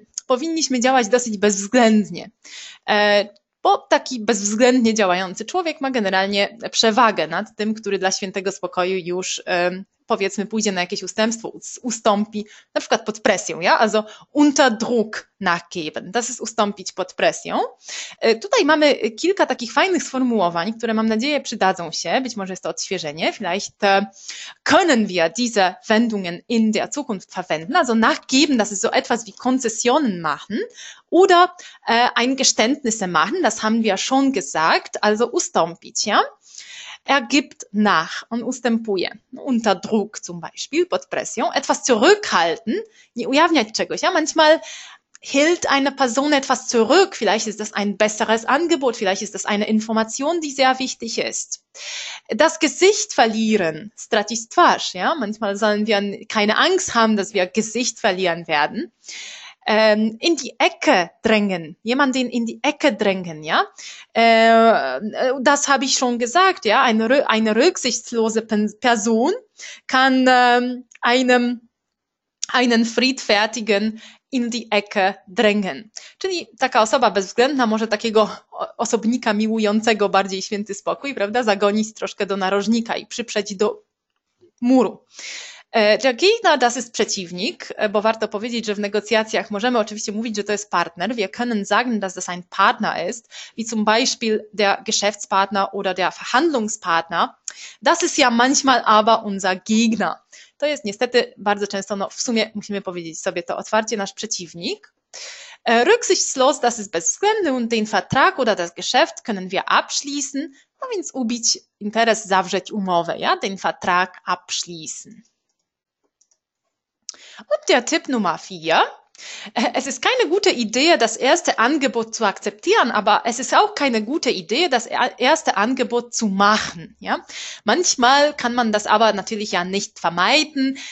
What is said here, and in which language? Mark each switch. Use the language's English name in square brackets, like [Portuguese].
[Polish] Powinniśmy działać dosyć bezwzględnie. Bo taki bezwzględnie działający człowiek ma generalnie przewagę nad tym, który dla świętego spokoju już, powiedzmy, pójdzie na jakieś ustępstwo, ustąpi, na przykład pod presją, ja? [German] Also unter Druck nachgeben. Das ist [Polish] ustąpić pod presją. Tutaj mamy kilka takich fajnych sformułowań, które mam nadzieję przydadzą się. Być może jest to odświeżenie. [German] Vielleicht können wir diese Wendungen in der Zukunft verwenden. Also nachgeben, das ist so etwas wie Konzessionen machen oder Eingeständnisse machen. Das haben wir schon gesagt. Also ustąpić, ja? Er gibt nach, [Polish] on ustępuje, [German] unter Druck zum Beispiel, [Polish] pod presją, [German] etwas zurückhalten, [Polish] nie ujawniać czegoś, [German] ja, manchmal hält eine Person etwas zurück, vielleicht ist das ein besseres Angebot, vielleicht ist das eine Information, die sehr wichtig ist. Das Gesicht verlieren, [Polish] stracić twarz, [German] ja, manchmal sollen wir keine Angst haben, dass wir Gesicht verlieren werden. In die Ecke drängen, jemanden in die Ecke drängen, ja. Das habe ich schon gesagt, ja. Eine rücksichtslose Person kann einen Friedfertigen in die Ecke drängen. [Polish] Czyli taka osoba bezwzględna może takiego osobnika miłującego bardziej święty spokój, prawda, zagonić troszkę do narożnika i przyprzeć do muru. [German] Der Gegner, das ist [Polish] Przeciwnik, bo warto powiedzieć, że w negocjacjach możemy oczywiście mówić, że to jest Partner. [German] Wir können sagen, dass das ein Partner ist, wie zum Beispiel der Geschäftspartner oder der Verhandlungspartner. Das ist ja manchmal aber unser Gegner. [Polish] To jest niestety bardzo często, no w sumie musimy powiedzieć sobie to otwarcie, nasz przeciwnik. [German] Rücksichtslos, das ist bezwzględny und den Vertrag oder das Geschäft können wir abschließen. [Polish] No więc ubić interes, zawrzeć umowę, ja? [German] Den Vertrag abschließen. Und der Tipp Nummer 4. Es ist keine gute Idee, das erste Angebot zu akzeptieren, aber es ist auch keine gute Idee, das erste Angebot zu machen. Ja? Manchmal kann man das aber natürlich ja nicht vermeiden.